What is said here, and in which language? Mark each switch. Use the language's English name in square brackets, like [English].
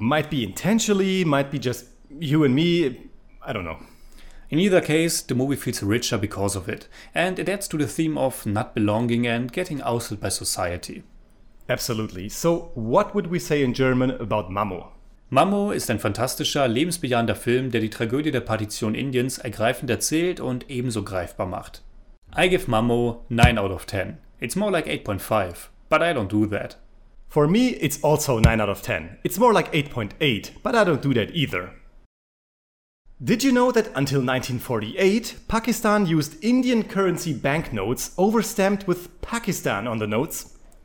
[English] Might be intentionally, might be just you and me. I don't know. In either case, the movie feels richer because of it, and it adds to the theme of not belonging and getting ousted by society. Absolutely. So what would we say in German about Mammo? [German] Mammo ist ein fantastischer, lebensbejahender Film, der die Tragödie der Partition Indiens ergreifend erzählt und ebenso greifbar macht. [English] I give Mammo 9 out of 10. It's more like 8.5, but I don't do that. For me, it's also 9 out of 10. It's more like 8.8, but I don't do that either. Did you know that until 1948, Pakistan used Indian currency banknotes overstamped with Pakistan on the notes?